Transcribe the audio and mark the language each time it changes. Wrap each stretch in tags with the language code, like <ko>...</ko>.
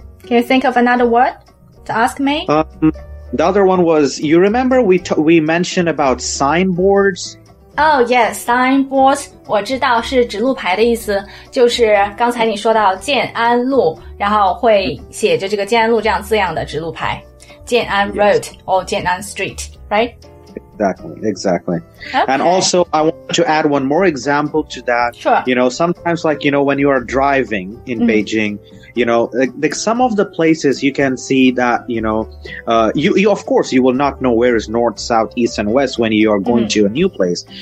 <en>Can you think of another word to ask me? The other one was, you remember we mentioned about signboards? Oh, yes, signboards.</en> <zh>我知道是指路牌的意思，就是刚才你说到建安路，然后会写着这个建安路这样字样的指路牌。</zh> <en>建安 Road, yes. Or 建安 Street, right? Exactly. Okay. And also, I want to add one more example to that. Sure. You know, sometimes like, you know, when you are driving in Beijing,you know, like some of the places you can see that, you know, you of course, you will not know where is north, south, east, and west when you are going to a new place.</en>